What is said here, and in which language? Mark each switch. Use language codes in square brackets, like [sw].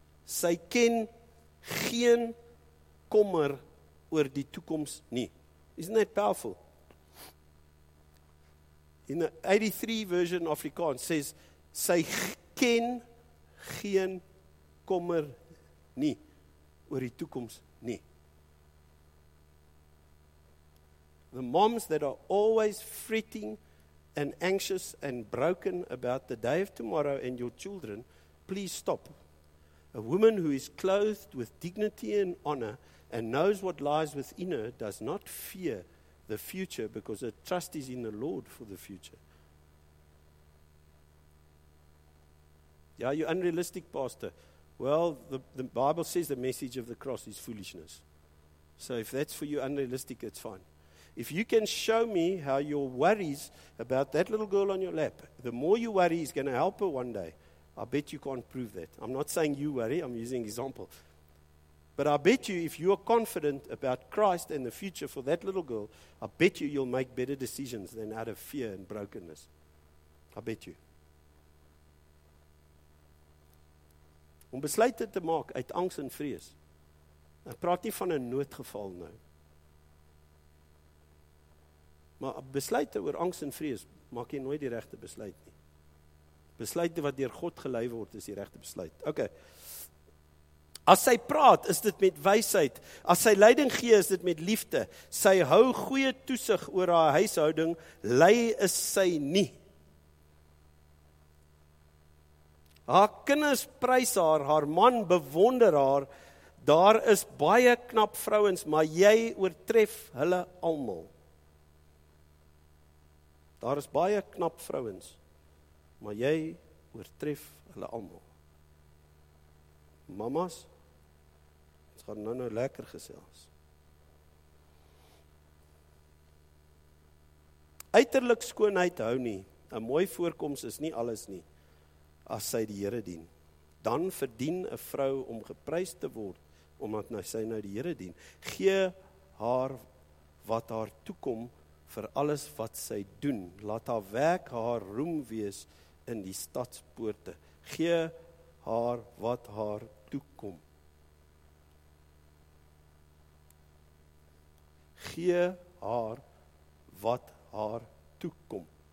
[af] Sy ken geen kommer oor die toekoms nie. [en] Isn't that powerful? In the 83 version of Afrikaans says, [af] sy ken geen kommer nie oor die toekoms nie. [en] The moms that are always fretting and anxious and broken about the day of tomorrow and your children, please stop. A woman who is clothed with dignity and honor and knows what lies within her does not fear the future because her trust is in the Lord for the future. Yeah, you're unrealistic, Pastor. Well, the Bible says the message of the cross is foolishness. So if that's for you unrealistic, it's fine. If you can show me how your worries about that little girl on your lap, the more you worry is going to help her one day. I bet you can't prove that. I'm not saying you worry. I'm using example. But I bet you if you are confident about Christ and the future for that little girl, I bet you you'll make better decisions than out of fear and brokenness. I bet you. [af] Om besluit dit te maak uit angs en vrees. Ek praat nie van 'n noodgeval nou. Maar besluite oor angs en vrees maak jy nooit die regte besluit nie. Besluite wat deur God gelei word is die regte besluit. Okay. As sy praat, is dit met wysheid. As sy leiding gee, is dit met liefde. Sy hou goeie toesig oor haar huishouding, lei is sy nie. Haar kinders prys haar, haar man bewonder haar. Daar is baie knap vrouens, maar jy oortref hulle almal. Daar is baie knap vrouens, maar jy oortref hulle almal. Mamas, ons gaan nou lekker gesels. Uiterlik skoonheid hou nie, 'n mooi voorkoms is nie alles nie, as sy die Here dien. Dan verdien 'n vrou om geprys te word, omdat sy nou die Here dien. Gee haar wat haar toekom vir alles wat sy doen. Laat haar werk haar roem wees in die stadspoorte. Gee haar wat haar toekom. Gee haar wat haar toekom.